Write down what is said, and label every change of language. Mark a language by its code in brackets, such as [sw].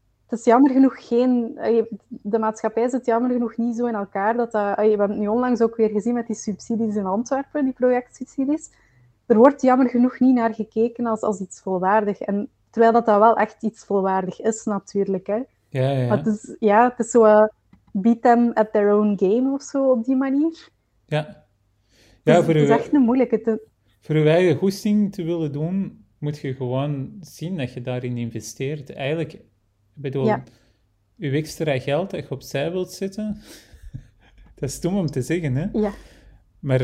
[nl] Het is jammer genoeg geen. De maatschappij zit jammer genoeg niet zo in elkaar dat dat. We hebben het nu onlangs ook weer gezien met die subsidies in Antwerpen, die projectsubsidies. Er wordt jammer genoeg niet naar gekeken als iets volwaardig. En terwijl dat wel echt iets volwaardig is, natuurlijk. Hè. Maar het is, ja, het is zo. [en] Beat them at their own game [nl] of zo, op die manier. Ja, Het is echt een moeilijke. voor je eigen goesting te willen doen, moet je gewoon zien dat je daarin investeert. Eigenlijk, ik Ja. bedoel, je extra geld dat je opzij wilt zetten, dat is stom om te zeggen, hè? Ja. Maar